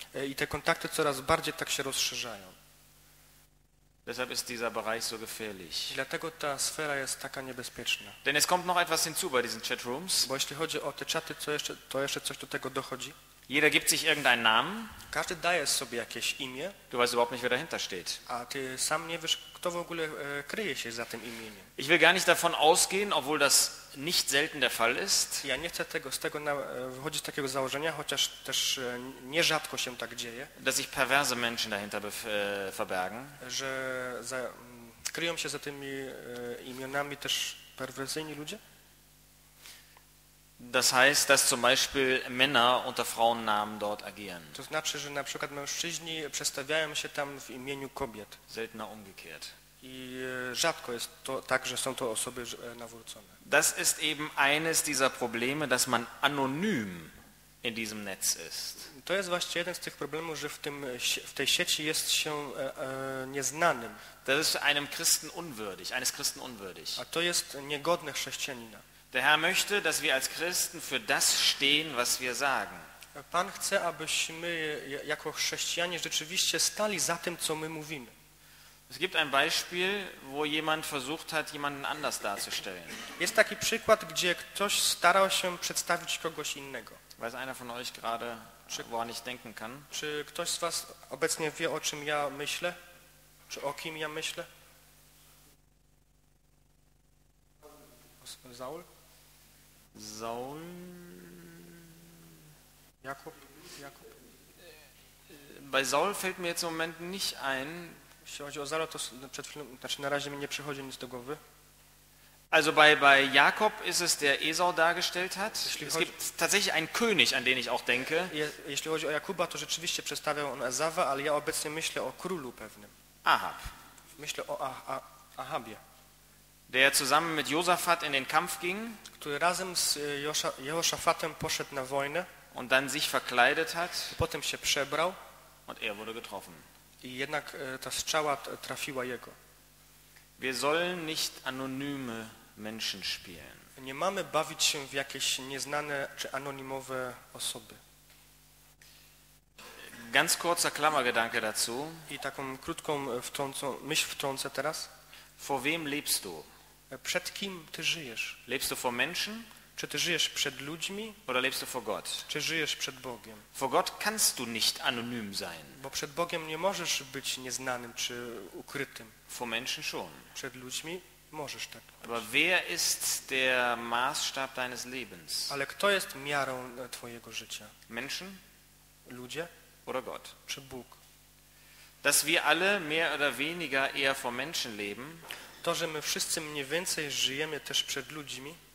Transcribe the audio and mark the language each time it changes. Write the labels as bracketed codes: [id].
[pl] I te kontakty coraz bardziej tak się rozszerzają. [de] Deshalb ist dieser Bereich so gefährlich. [pl] Dlatego ta sfera jest taka niebezpieczna. [de] Denn es kommt noch etwas hinzu bei diesen Chatrooms. [pl] Bo jeśli chodzi o te czaty, to jeszcze coś do tego dochodzi. [de] Jeder gibt sich irgendeinen Namen. [pl] Każdy daje sobie jakieś imię. [de] Du weißt überhaupt nicht, wer dahinter steht. [pl] A ty sam nie wiesz, kto w ogóle kryje się za tym imieniem. [de] Ich will gar nicht davon ausgehen, obwohl das nicht selten der Fall ist. [pl] Ja nie chcę tego, z tego wychodzić z takiego założenia, chociaż też nierzadko się tak dzieje. [de] Dass sich perverse Menschen dahinter verbergen. [pl] Że kryją się za tymi imionami też perwersyjni ludzie. [de] Das heißt, dass zum Beispiel Männer unter Frauennamen dort agieren. [pl] To znaczy, że na przykład mężczyźni przedstawiają się tam w imieniu kobiet. [de] Seltener umgekehrt. [pl] I rzadko jest to tak, że są to osoby nawrócone. [de] Das ist eben eines dieser Probleme, dass man anonym in diesem Netz ist. [pl] To jest właśnie jeden z tych problemów, że w tej sieci jest się nieznanym. [de] Das ist einem Christen unwürdig, eines Christen unwürdig. [pl] A to jest niegodne chrześcijanina. [de] Der Herr möchte, dass wir als Christen für das stehen, was wir sagen. [pl] Pan chce, abyśmy jako chrześcijanie rzeczywiście stali za tym, co my mówimy. [de] Es gibt ein Beispiel, wo jemand versucht hat, jemanden anders darzustellen. [pl] Jest taki przykład, gdzie ktoś starał się przedstawić kogoś innego. [de] Weiß einer von euch gerade, woran ich denken kann? [pl] Czy ktoś z was obecnie wie, o czym ja myślę? Czy o kim ja myślę? Saul? Saul? [de] Jakob? Bei Saul fällt mir jetzt im Moment nicht ein. [pl] Jeśli chodzi o Saula, to przed chwilą, znaczy na razie mi nie przychodzi nic do głowy. [de] Also bei Jakob ist es, der Esau dargestellt hat. Es gibt tatsächlich einen König, an den ich auch denke. [pl] Jeśli chodzi o Jakuba, to rzeczywiście przedstawiał on Ezawa, ale ja obecnie myślę o królu pewnym. Ahab. Myślę o Ahabie. [de] Der zusammen mit Josaphat in den Kampf ging, [pl] który razem z Jehoszafatem poszedł na wojnę, [de] und dann sich verkleidet hat, [pl] potem się przebrał, [de] und er wurde getroffen. [pl] I jednak ta strzała trafiła jego. [de] Wir sollen nicht anonyme Menschen spielen. [pl] Nie mamy bawić się w jakieś nieznane czy anonimowe osoby. [de] Ganz kurzer Klammergedanke dazu. [pl] I taką krótką myśl wtrącę teraz. [de] Vor wem lebst du? [pl] Przed kim ty żyjesz? [de] Lebst du vor Menschen? [pl] Czy ty żyjesz przed ludźmi? [de] Oder lebst du vor Gott? [pl] Czy żyjesz przed Bogiem? [de] Vor Gott kannst du nicht anonym sein. [pl] Bo przed Bogiem nie możesz być nieznanym czy ukrytym. [de] Vor Menschen schon. [pl] Przed ludźmi możesz tak. [de] Aber wer ist der Maßstab deines Lebens? [pl] Ale kto jest miarą twojego życia? [de] Menschen? [pl] Ludzie? [de] Oder Gott? [pl] Czy Bóg? [de] Dass wir alle mehr oder weniger eher vor Menschen leben, [pl] to, że my wszyscy mniej więcej żyjemy też przed ludźmi,